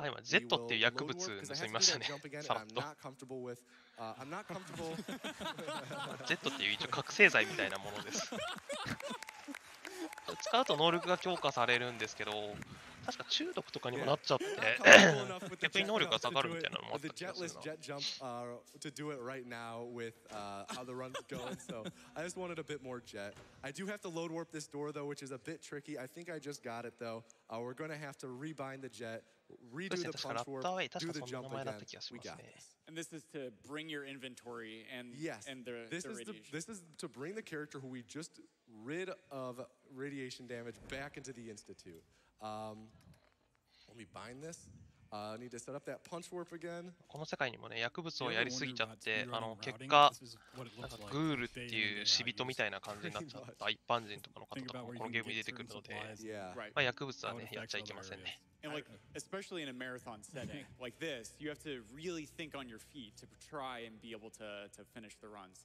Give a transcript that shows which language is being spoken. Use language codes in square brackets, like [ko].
[en] we will load more because I have to jump again. And I'm not comfortable with. I'm not comfortable. [ja] Jet っていう一応覚醒剤みたいなものです。使うと能力が強化されるんですけど、確か中毒とかにもなっちゃって、逆に能力が下がるみたいなのもあったんですよ。 [en] The jetless jet jump to I just wanted a bit more jet. I do have to load warp this door though, which is a bit tricky. I think I just got it though. We're gonna have to rebind the jet, redo the punch warp, do the jump again. We got this. And this is to bring your inventory and yes, and the radiation. This is to bring the character who we just rid of radiation damage back into the institute. Let me bind this. Need to set up that punch warp again. [ja] この世界にもね、薬物をやりすぎちゃって、あの結果グールっていう死人みたいな感じになっちゃった一般人とかの方とかもこのゲームに出てくるので、まあ薬物はねやっちゃいけませんね。 [en] And like, especially in a marathon setting like this, you have to really think on your feet to try and be able to finish the run.